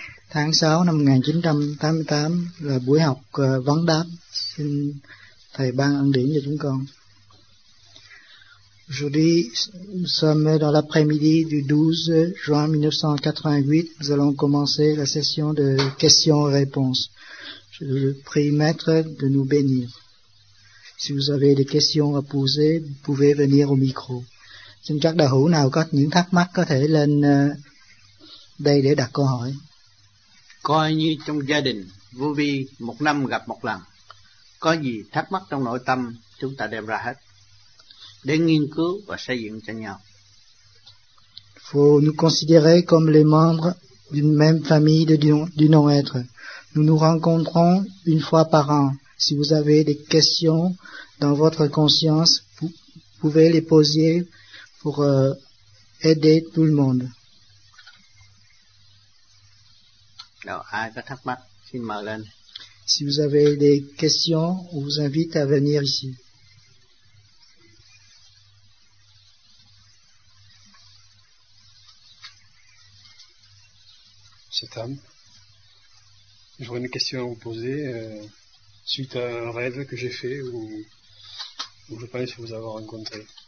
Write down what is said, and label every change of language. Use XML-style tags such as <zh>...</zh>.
<vi>Tháng 6 năm 1988 là buổi học vấn đáp. Xin Thầy ban ân điển cho chúng con.</vi> <fr>Aujourd'hui, nous sommes dans l'après-midi du 12 juin 1988. Nous allons commencer la session de questions-réponses. Je prie Maître de nous bénir. Si vous avez des questions à poser, vous pouvez venir au micro.</fr> <vi>Xin các đạo hữu nào có những thắc mắc có thể lên đây để đặt câu hỏi. Coi như trong gia đình, vô vi một năm gặp một lần. Có gì thắc mắc trong nội tâm, chúng ta đem ra hết. Để nghiên cứu và xây dựng cho nhau.</vi> <fr>Faut nous considérer comme les membres d'une même famille du non-être. Nous nous rencontrons une fois par an. Si vous avez des questions dans votre conscience, vous pouvez les poser pour aider tout le monde.</fr> <vi>Alors, ai có thắc mắc, xin mời lên.</vi> <fr>Si vous avez des questions, on vous invite à venir ici. Cet homme, j'aurais une question à vous poser suite à un rêve que j'ai fait où je pense vous avoir rencontré.</fr>